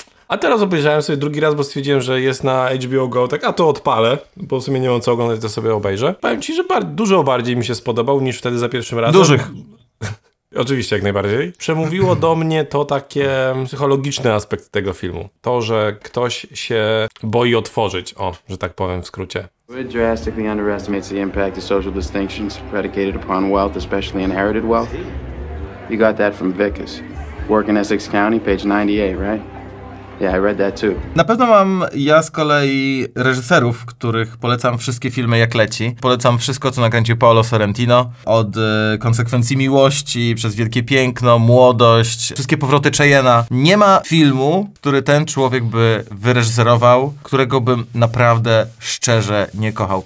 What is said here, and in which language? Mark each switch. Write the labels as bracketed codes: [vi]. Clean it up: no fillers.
[pl] A teraz obejrzałem sobie drugi raz, bo stwierdziłem, że jest na HBO Go, tak, a to odpalę, bo w sumie nie mam co oglądać, to sobie obejrzę. Powiem ci, że dużo bardziej mi się spodobał niż wtedy za pierwszym razem. Dużych. Oczywiście, jak najbardziej. Przemówiło do mnie to takie psychologiczne aspekty tego filmu. To, że ktoś się boi otworzyć, o, że tak powiem w skrócie. [en] It drastically underestimates the impact of social distinctions predicated upon wealth, especially inherited wealth. You got that from Vickers. Work in Essex County, page 98, right? Yeah, I read that too. [pl] Na pewno mam ja z kolei reżyserów, których polecam wszystkie filmy jak leci. Polecam wszystko, co nakręcił Paolo Sorrentino. Od Konsekwencji miłości, przez Wielkie piękno, Młodość, wszystkie Powroty Cheyenne'a. Nie ma filmu, który ten człowiek by wyreżyserował, którego bym naprawdę szczerze nie kochał.